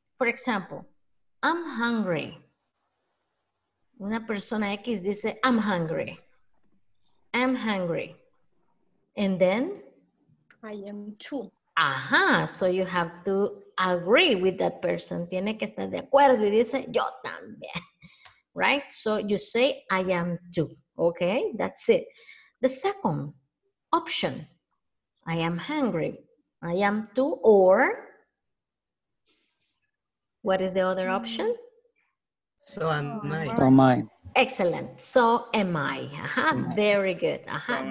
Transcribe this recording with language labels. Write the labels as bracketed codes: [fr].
[en] For example, I'm hungry. [es] Una persona X dice, [en] I'm hungry. I'm hungry. And then? I am too. Ajá, so you have to agree with that person. [es] Tiene que estar de acuerdo y dice, yo también. [en] Right? So you say, I am too, okay? That's it. The second option, I am hungry, I am too, or what is the other option? So am I. So am I. Excellent. So am I. Uh-huh. Very good. Uh-huh.